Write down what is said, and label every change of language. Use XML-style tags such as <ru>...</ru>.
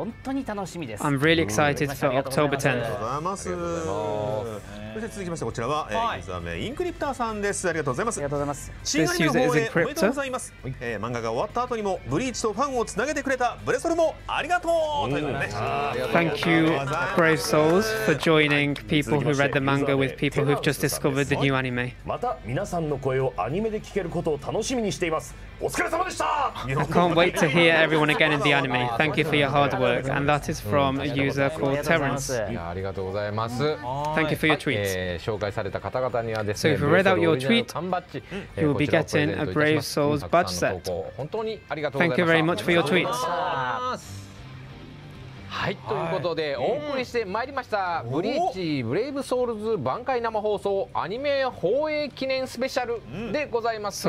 <en>I'm really excited for October 10th.</en> <ja>ありがとうございます。そして続きましてこちらは、ユーザー名インクリプターさんです。ありがとうございます。ありがとうございます。新アニメの放映おめでとうございます。漫画が終わった後にもブリーチとファンをつなげてくれたブレソルもありがとう。</ja> <en>Thank you, brave souls, for joining people who read the manga with people who've just discovered the new anime.</en> <ja>また皆さんの声をアニメで聞けることを楽しみにしています。お疲れ様でした。</ja> <en>I can't wait to hear everyone again in the anime. Thank you for your hard work. And that is from a user called Terence.</en> <ja>ありがとうございます。</ja> <en>Thank you for your tweet.</en> <ja>紹介された方々にはです</ja> <en>ね、So if you read out your tweet, you will be getting a Brave Souls badge set.</en> <ja>本当にありがとうございます。</ja> <en>Thank you very much for your tweet.</en> <ja>はい、ということで、はい、お送りしてまいりました、ブリーチブレイブソウルズ挽回生放送アニメ放映記念スペシャルでございます。</ja>